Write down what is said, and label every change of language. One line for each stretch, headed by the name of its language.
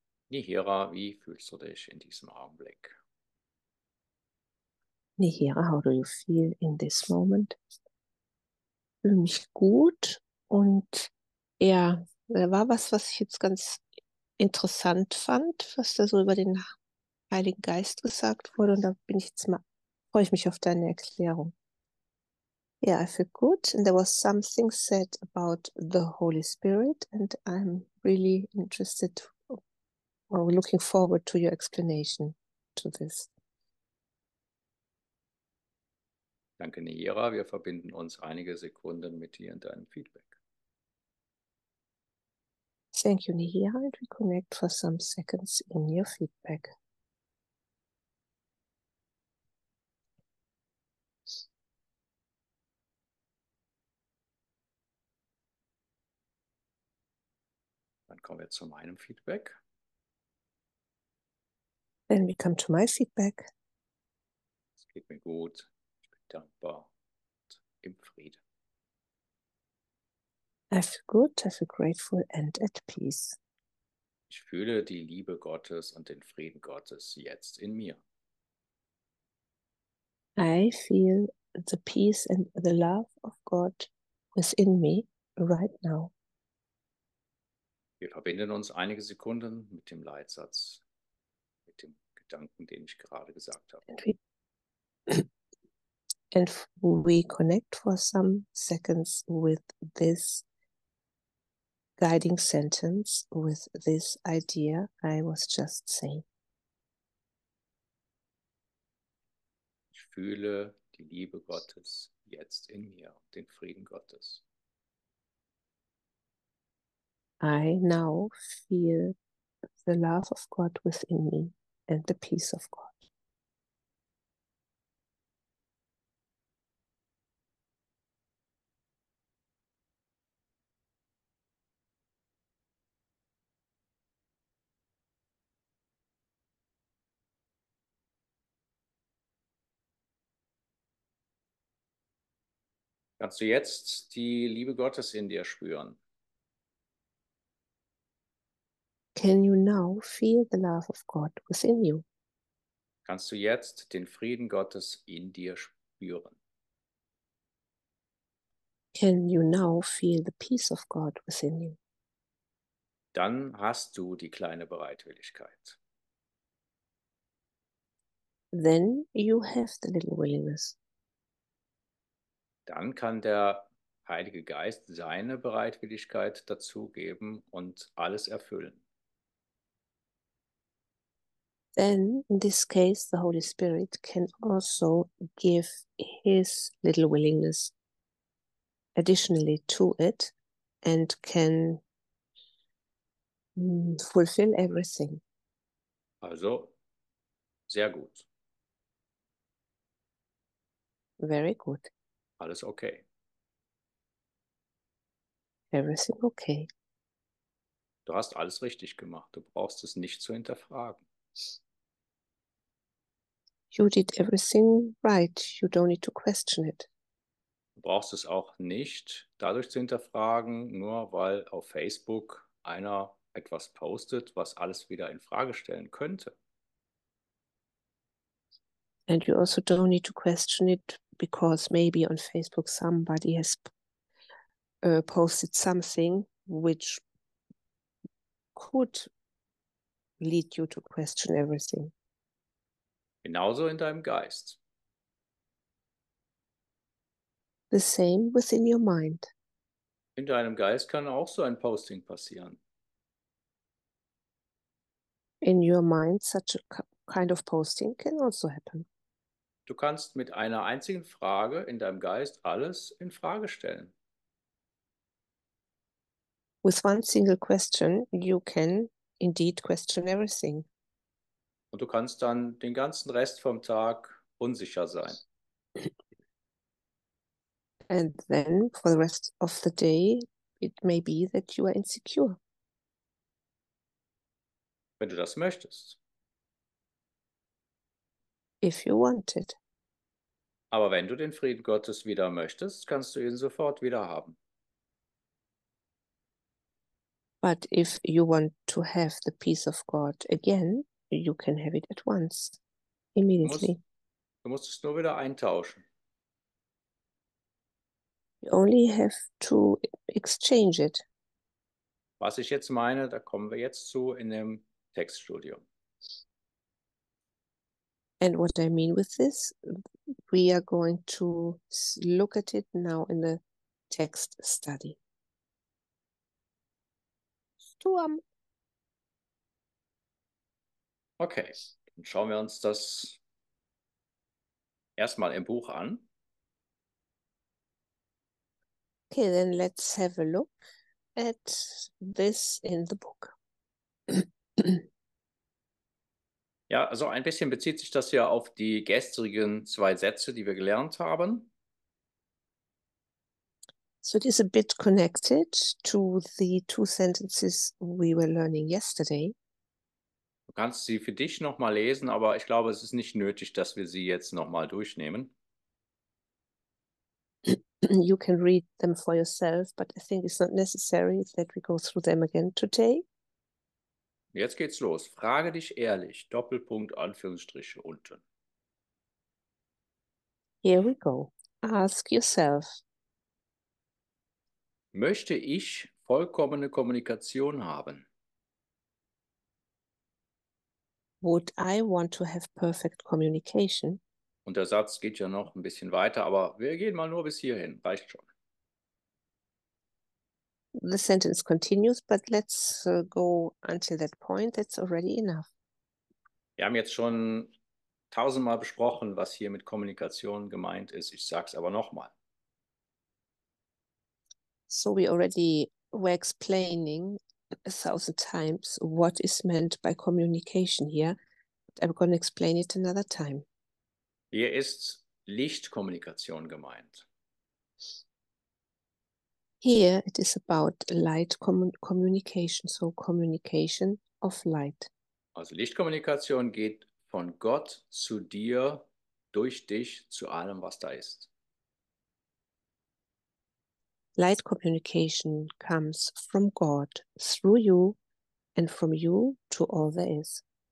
German: Nihira, wie fühlst du dich in diesem Augenblick?
English: Nihira, how do you feel in this moment?
German: Ich fühle mich gut. Und ja, da war was, was ich jetzt ganz interessant fand, was da so über den Heiligen Geist gesagt wurde, und da bin ich jetzt mal, freue ich mich auf deine Erklärung.
English: Yeah, I feel good. And there was something said about the Holy Spirit, and I'm really interested or looking forward to your explanation to this.
German: Danke, Nihira. Wir verbinden uns einige Sekunden mit dir in deinem Feedback.
English: Thank you, Nihira, and we connect for some seconds in your feedback.
German: Kommen wir zu meinem Feedback.
English: Then we come to my feedback.
German: Es geht mir gut. Ich bin dankbar und im Frieden.
English: I feel good, I feel grateful and at peace.
German: Ich fühle die Liebe Gottes und den Frieden Gottes jetzt in mir.
English: I feel the peace and the love of God within me right now.
German: Wir verbinden uns einige Sekunden mit dem Leitsatz, mit dem Gedanken, den ich gerade gesagt habe.
English: And we connect for some seconds with this guiding sentence, with this idea I was just saying.
German: Ich fühle die Liebe Gottes jetzt in mir, den Frieden Gottes.
English: I now feel the love of God within me and the peace of God.
German: Kannst du jetzt die Liebe Gottes in dir spüren?
English: Can you now feel the love of God within you?
German: Kannst du jetzt den Frieden Gottes in dir spüren?
English: Can you now feel the peace of God within you?
German: Dann hast du die kleine Bereitwilligkeit.
English: Then you have the little willingness.
German: Dann kann der Heilige Geist seine Bereitwilligkeit dazugeben und alles erfüllen.
English: Then, in this case, the Holy Spirit can also give his little willingness additionally to it and can fulfill everything.
German: Also, sehr gut.
English: Very good.
German: Alles okay.
English: Everything okay.
German: Du hast alles richtig gemacht. Du brauchst es nicht zu hinterfragen.
English: You did everything right. You don't need to question it.
German: Du brauchst es auch nicht dadurch zu hinterfragen, nur weil auf Facebook einer etwas postet, was alles wieder in Frage stellen könnte.
English: And you also don't need to question it because maybe on Facebook somebody has posted something which could lead you to question everything.
German: Genauso in deinem Geist.
English: The same within your mind.
German: In deinem Geist kann auch so ein Posting passieren.
English: In your mind, such a kind of posting can also happen.
German: Du kannst mit einer einzigen Frage in deinem Geist alles in Frage stellen.
English: With one single question, you can indeed question everything.
German: Und du kannst dann den ganzen Rest vom Tag unsicher sein.
English: And then for the rest of the day, it may be that you are insecure.
German: Wenn du das möchtest.
English: If you want it.
German: Aber wenn du den Frieden Gottes wieder möchtest, kannst du ihn sofort wieder haben.
English: But if you want to have the peace of God again, you can have it at once, immediately.
German: Du musst es nur wieder eintauschen.
English: You only have to exchange it.
German: Was ich jetzt meine, da kommen wir jetzt zu in dem Textstudium. And what I mean with this, we are going to look at it now in the text study. Sturm. Okay, dann schauen wir uns das erstmal im Buch an.
English: Okay, then let's have a look at this in the book.
German: Ja, also ein bisschen bezieht sich das ja auf die gestrigen zwei Sätze, die wir gelernt haben.
English: So it is a bit connected to the two sentences we were learning yesterday.
German: Du kannst sie für dich nochmal lesen, aber ich glaube, es ist nicht nötig, dass wir sie jetzt nochmal durchnehmen.
English: You can read them for yourself, but I think it's not necessary that we go through them again today.
German: Jetzt geht's los. Frage dich ehrlich. Doppelpunkt, Anführungsstriche unten.
English: Here we go. Ask yourself.
German: Möchte ich vollkommene Kommunikation haben?
English: Would I want to have perfect communication?
German: Und der Satz geht ja noch ein bisschen weiter, aber wir gehen mal nur bis hierhin, reicht schon.
English: The sentence continues, but let's go until that point, that's already enough.
German: Wir haben jetzt schon tausendmal besprochen, was hier mit Kommunikation gemeint ist, ich sag's aber nochmal.
English: So we already were explaining 1,000 times what is meant by communication here. I'm going to explain it another time.
German: Hier ist Lichtkommunikation gemeint.
English: Here it is about light communication, so communication of light.
German: Also Lichtkommunikation geht von Gott zu dir, durch dich, zu allem, was da ist.
English: Light communication comes from God through you and from you to all there is.